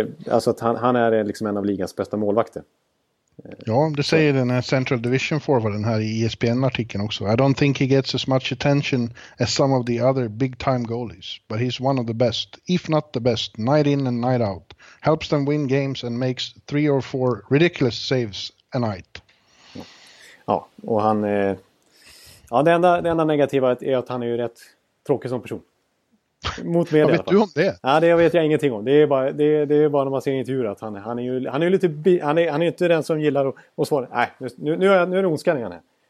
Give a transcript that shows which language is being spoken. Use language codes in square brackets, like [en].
[sv] Alltså att han är liksom en av ligans bästa målvakter. Ja, det säger den här Central Division forwarden här i ESPN-artikeln också. [en] I don't think he gets as much attention as some of the other big-time goalies, but he's one of the best, if not the best, night in and night out. Helps them win games and makes 3 or 4 ridiculous saves a night. [sv] Ja, och han... Ja, det enda negativa är att han är ju rätt tråkig som person. Mot media. Vad vet du om det? Ja, det vet jag ingenting om. Det är bara när man ser intervjuer att han är inte den som gillar att svara. Nej, nu är det ondskanningen här.